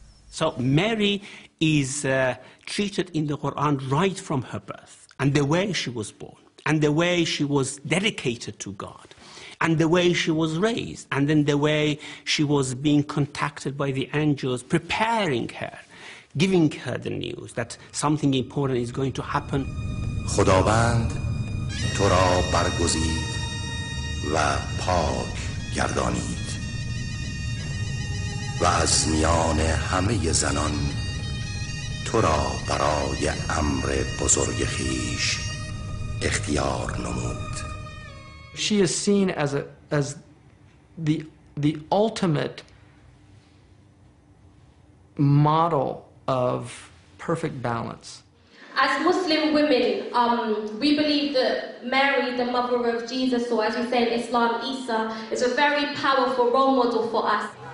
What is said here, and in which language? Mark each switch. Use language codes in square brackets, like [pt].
[en] So Mary is treated in the Quran right from her birth, and the way she was born, and the way she was dedicated to God, and the way she was raised, and then the way she was being contacted by the angels, preparing her, giving her the news that something important is going to happen. [fa] خداوند تو را برگزید و پاک گردانید. و از میان همه زنان تو را برای امر بزرگ خیش اختیار نمود. [en] She is seen as the ultimate model of perfect balance. As Muslim women, we believe that Mary, the mother of Jesus, or as we say in Islam, Isa, is a very powerful role model for us.